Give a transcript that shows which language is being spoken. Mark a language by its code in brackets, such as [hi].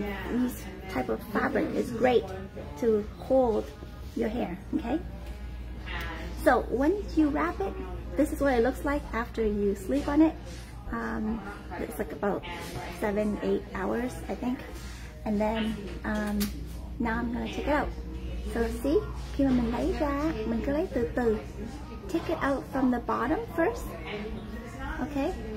[en] This type of fabric is great to hold your hair, okay? So when you wrap it, this is what it looks like after you sleep on it. It's like about 7-8 hours, I think. And then now I'm gonna take it out. [vi] So see, khi mà mình lấy ra, mình cứ lấy từ từ. [en] Take it out from the bottom first, okay?